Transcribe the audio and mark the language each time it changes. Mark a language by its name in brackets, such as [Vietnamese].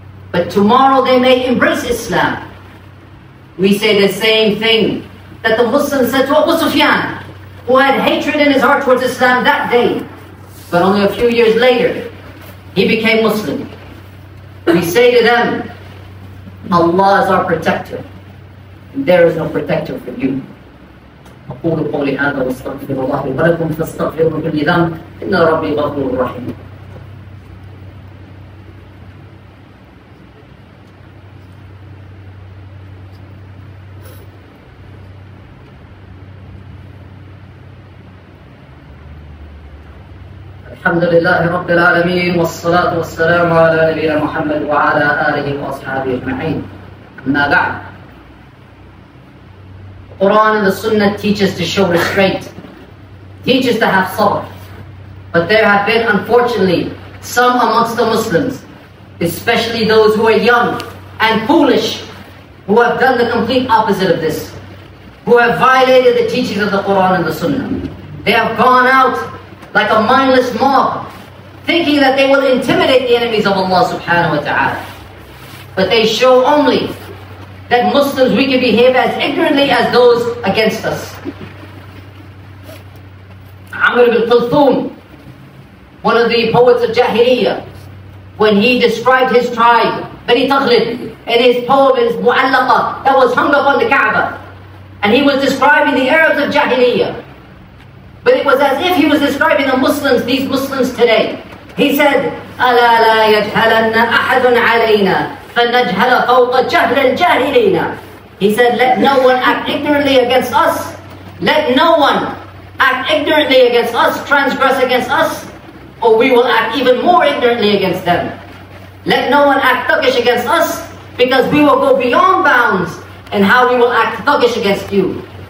[English] But tomorrow they may embrace Islam. We say the same thing that the Muslim said to Abu Sufyan, who had hatred in his heart towards Islam that day. But only a few years later, he became Muslim. We say to them, Allah is our protector. And there is no protector for you. [Arabic] أقول قولي هذا واستغفر الله ولكم فاستغفروا كل ذنب إن ربي غفور رحيم. الحمد لله رب العالمين والصلاة والسلام على نبينا محمد وعلى آله وأصحابه أجمعين. أما بعد, [English] Quran and the Sunnah teach us to show restraint, teach us to have sabr. But there have been, unfortunately, some amongst the Muslims, especially those who are young and foolish, who have done the complete opposite of this, who have violated the teachings of the Quran and the Sunnah. They have gone out like a mindless mob, thinking that they will intimidate the enemies of Allah subhanahu wa ta'ala. But they show only that Muslims, we can behave as ignorantly as those against us. Amr ibn Kulthum, one of the poets of Jahiliyyah, when he described his tribe, Bani Taghlib, in his poem, in his Mu'allaqa, that was hung up on the Kaaba, and he was describing the Arabs of Jahiliyyah, but it was as if he was describing the Muslims, these Muslims today. He said, [Arabic] أَلَا لَا يَجْهَلَنَّ أَحَدٌ عَلَيْنَا فَنَجْهَلَ فَوْقَ جَهْلَ الْجَاهِلِينَ. [English] He said, let no one act ignorantly against us. Let no one act ignorantly against us, transgress against us, or we will act even more ignorantly against them. Let no one act thuggish against us, because we will go beyond bounds in how we will act thuggish against you.